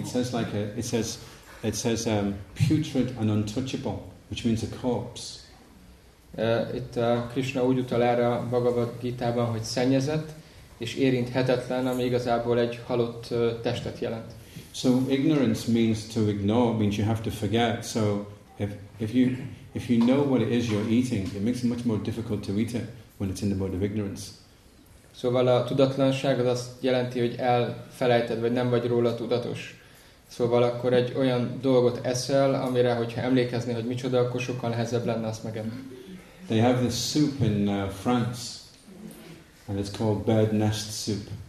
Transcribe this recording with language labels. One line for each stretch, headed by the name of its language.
English: It says putrid and untouchable, which means a corpse.
Hungarian: Itt Krishna úgy utal erre a Bhagavad Gita-ban, hogy szennyezett és érinthetetlen, ami igazából egy halott testet jelent.
English: So ignorance means to ignore, means you have to forget. So if you know what it is you're eating, it makes it much more difficult to eat it when it's in the mode of ignorance.
Hungarian: Szóval a tudatlanság az azt jelenti, hogy elfelejted, vagy nem vagy róla tudatos. Szóval akkor egy olyan dolgot eszel, amire, hogyha emlékezni, hogy micsoda, akkor sokkal nehezebb lenne azt megenni.
English: They have this soup in France, and it's called bird nest soup.